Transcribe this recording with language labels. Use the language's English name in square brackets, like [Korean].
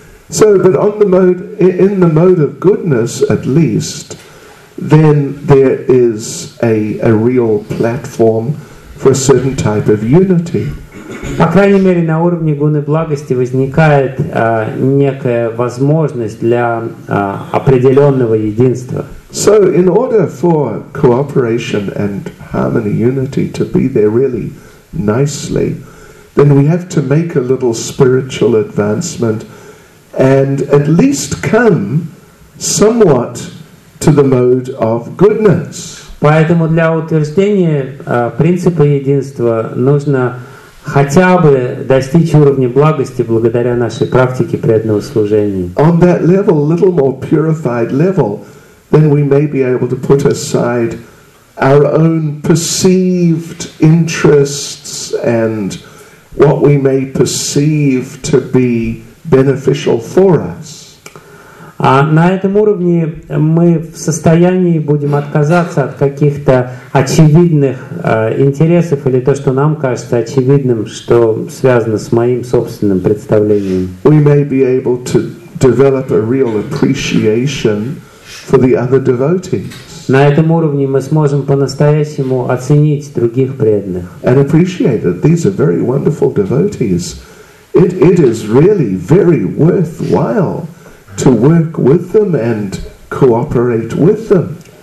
[English] So, but on the mode, in the mode of goodness, at least, then there is a real platform for a certain type of unity. [Russian] По крайней мере, на уровне гуны благости возникает некая возможность для определенного единства. [English] So, in order for cooperation and harmony, unity to be there really nicely, then we have to make a little spiritual advancement and at least come somewhat to the mode of goodness. [Russian] Поэтому для утверждения принципа единства нужно хотя бы достичь уровня благости благодаря нашей практике преданного служения. [English] On that level, a little more purified level, then we may be able to put aside our own perceived interests and what we may perceive to be beneficial for us. [Russian] А на этом уровне мы в состоянии будем отказаться от каких-то очевидных интересов или то, что нам кажется очевидным, что связано с моим собственным представлением. [English] We may be able to develop a real appreciation for the other devotees. [Russian] На этом уровне мы сможем по-настоящему оценить других преданных. [English] And appreciate that these are very wonderful devotees. It is really very worthwhile to work with them and cooperate with them.